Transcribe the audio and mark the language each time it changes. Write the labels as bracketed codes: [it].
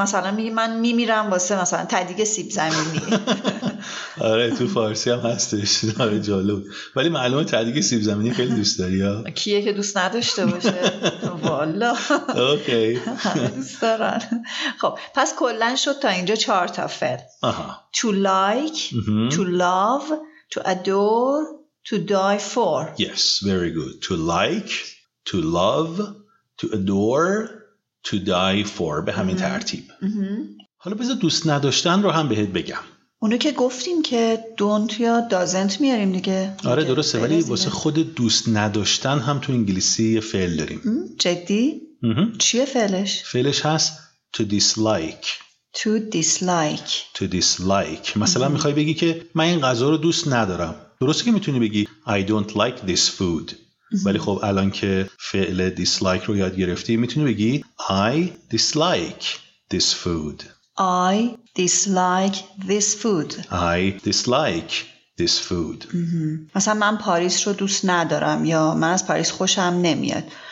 [fa] مثلا میگی من میمیرم واسه مثلا تدیگ سیب زمینی. آره تو فارسی هم هستش. آره جالب. ولی معلومه تدیگ سیب زمینی خیلی دوست داری. کیه که دوست نداشته باشه؟ والا اوکی. دوست دارن. خب پس کلن شد تا اینجا چهار تا فعل. [en] To like, to love, to adore, to die for. Yes, very good. To like, to love, to adore, to die for. [fa] به همین ترتیب. حالا بذار دوست نداشتن رو هم بهت بگم. اونو که گفتیم که don't یا doesn't میاریم دیگه. آره درسته، ولی واسه خود دوست نداشتن هم تو انگلیسی یه فعل داریم. جدی؟ چیه فعلش؟ فعلش هست to dislike. [en] To dislike. To dislike. [fa] مثلا میخوای بگی که من این غذا رو دوست ندارم. درسته که میتونی بگی [en] I don't like this food. [fa] ولی خب الان که فعل dislike رو یاد گرفتی میتونی بگی [en] I dislike this food. I dislike this food. I dislike this food. [fa] مثلا من پاریس رو دوست ندارم یا من از پاریس خوشم نمیاد.